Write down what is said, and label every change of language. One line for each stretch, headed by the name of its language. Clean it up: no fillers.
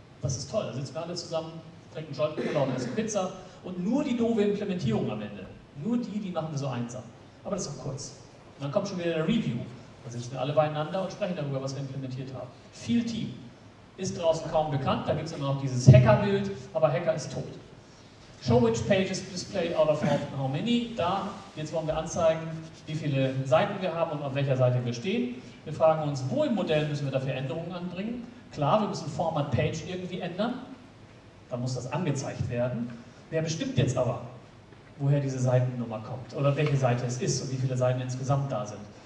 German: Das ist toll, da sitzen wir alle zusammen, trinken Schaltkohle und essen Pizza. Und nur die doofe Implementierung am Ende. Nur die, die machen wir so einsam. Aber das ist auch kurz. Und dann kommt schon wieder der Review. Da sitzen wir alle beieinander und sprechen darüber, was wir implementiert haben. Viel Team. Ist draußen kaum bekannt, da gibt es immer noch dieses Hacker-Bild, aber Hacker ist tot.
English: Show which pages displayed out of how many.
German: Da, jetzt wollen wir anzeigen, wie viele Seiten wir haben und auf welcher Seite wir stehen. Wir fragen uns, wo im Modell müssen wir dafür Änderungen anbringen? Klar, wir müssen Format Page irgendwie ändern. Da muss das angezeigt werden. Wer bestimmt jetzt aber, woher diese Seitennummer kommt oder welche Seite es ist und wie viele Seiten insgesamt da sind?